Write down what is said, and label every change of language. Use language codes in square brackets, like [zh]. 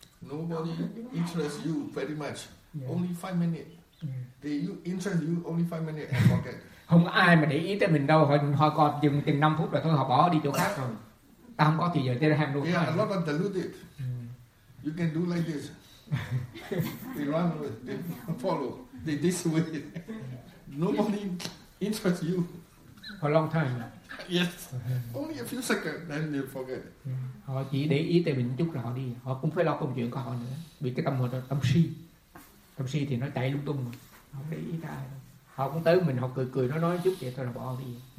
[en] Nobody interests you very much. Yeah. Only 5 minutes. Yeah. They interest you only 5 minutes and forget. [vi] Không ai mà để ý tới mình đâu. Họ còn dừng từng 5 phút rồi thôi. Họ bỏ đi chỗ khác rồi. Ta không có thì giờ tới hàng luôn. [en] Yeah, a lot of deluded. You can do like this. They run with, they follow. They this way. Nobody interests you. For a long time. Yes. Only a few seconds, then they forget. Yeah. [vi] Họ chỉ để ý tới mình chút là họ đi. Họ cũng phải lo công chuyện của họ nữa. Bị cái tâm hồn tâm si. Tâm si thì nó chạy lung tung rồi. Họ không để ý tới ai đâu. Họ cũng tới mình, họ cười cười, nó nói chút vậy thôi là bỏ họ đi.